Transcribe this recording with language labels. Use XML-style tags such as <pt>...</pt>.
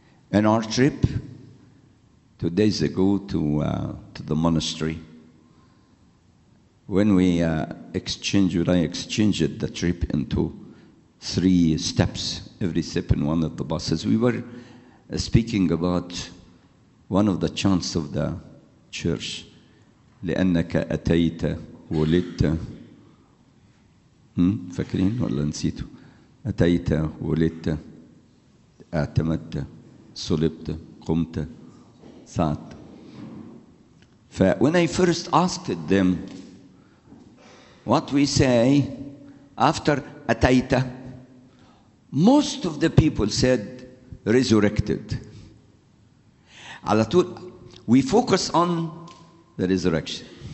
<en>In our trip 2 days ago to the monastery, when we exchanged the trip into 3 steps, every step in one of the buses, we were speaking about one of the chants of the church,</en> <ar>لأنك أتيت ولدت. فاكرين ولا نسيتوا؟ أتيت ولدت اعتمدت صلبت قمت صعدت.</ar> <en>When I first asked them what we say after أتيت, most of the people said resurrected.</en> <ar>على طول</ar> <en>we focus on the resurrection.</en>